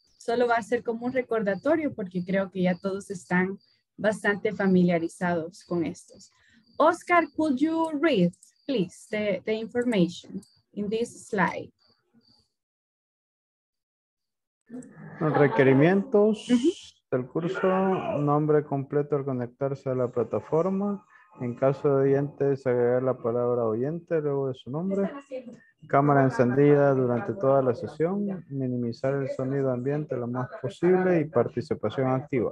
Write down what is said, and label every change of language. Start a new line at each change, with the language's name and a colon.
Spanish: Solo va a ser como un recordatorio porque creo que ya todos están bastante familiarizados con estos.
English: Oscar, could you read, please, the information in this slide?
Spanish: Requerimientos del curso, nombre completo al conectarse a la plataforma. En caso de oyentes, agregar la palabra oyente luego de su nombre. Cámara encendida durante toda la sesión. Minimizar el sonido ambiente lo más posible y participación activa.